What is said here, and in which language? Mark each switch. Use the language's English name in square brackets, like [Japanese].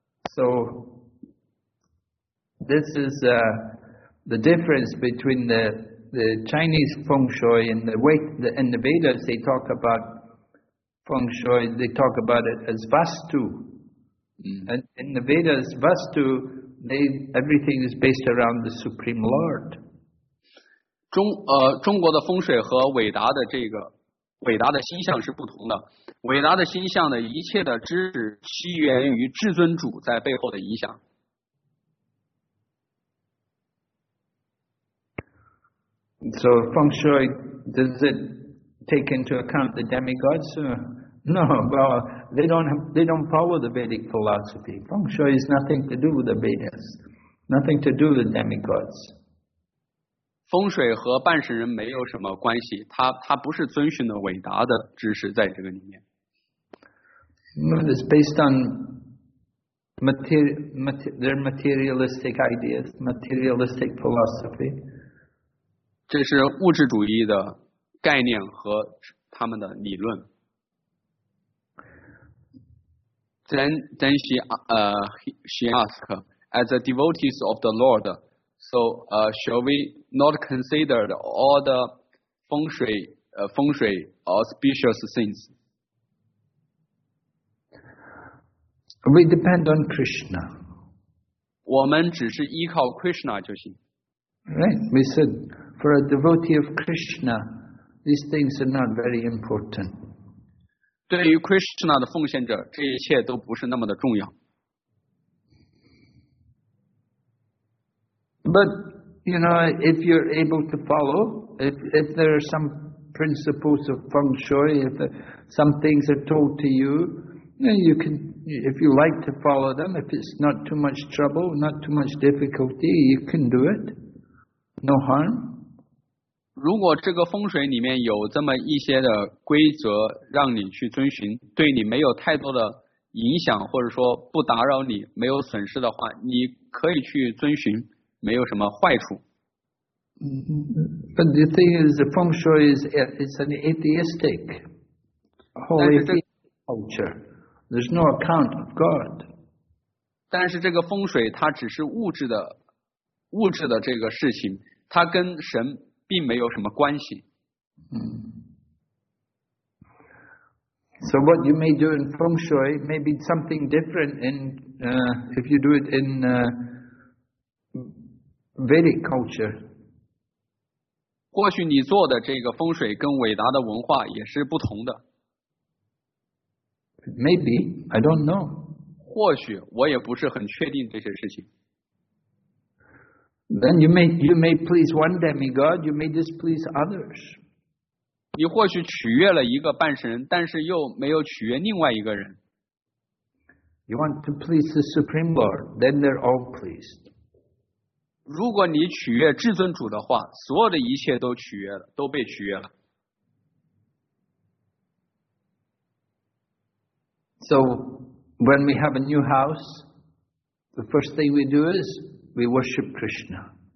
[English] So this is the difference between the Chinese feng shui and the Vedas, they talk about feng shui, they talk about it as vastu. And in the Vedas, vastu, everything is based around the Supreme Lord. [Chinese] 中国的风水和伟达的这个伟达的星象是不同的。伟达的星象的一切的知识起源于至尊主在背后的影响。 [English] So feng shui, does it take into account the demigods? No, well, they don't follow the Vedic philosophy. Feng shui has nothing to do with the Vedas, nothing to do with the demigods. [Chinese] 风水和半神人没有什么关系，他不是遵循的伟达的知识在这个里面。 [English] It's based on their materialistic ideas, materialistic philosophy. [Chinese] 这是物质主义的概念和他们的理论。 [English] Then she asked, as the devotees of the Lord, so shall we not consider all the 风水 auspicious things? We depend on Krishna. [Chinese] 我们只是依靠 Krishna 就行。 [English] Right, we said. For a devotee of Krishna, these things are not very important. [Chinese] 对于 Krishna 的奉献者，这一切都不是那么的重要。 [English] But you know, if you're able to follow, if there are some principles of feng shui, if some things are told to you, you can, if you like to follow them, if it's not too much trouble, not too much difficulty, you can do it. No harm. [Chinese] 如果这个风水里面有这么一些的规则让你去遵循，对你没有太多的影响，或者说不打扰你，没有损失的话，你可以去遵循，没有什么坏处。 [English] But the thing is, the feng shui is an atheistic, holy culture. There's no account of God. [Chinese] 但是这个风水它只是物质的这个事情，它跟神。并没有什么关系。 [English] So what you may do in feng shui may be something different in if you do it in Vedic culture. [Chinese] 或许你做的这个风水跟伟达的文化也是不同的。 [English] Maybe I don't know. [Chinese] 或许我也不是很确定这些事情。 [English] Then you may please one demigod, you may displease others. [Chinese] 你或许取悦了一个半神，但是又没有取悦另外一个人。 [English] You want to please the Supreme Lord, then they're all pleased. [Chinese] 如果你取悦至尊主的话，所有的一切都取悦了，都被取悦了。 [English] So when we have a new house, the first thing we do is we worship Krishna.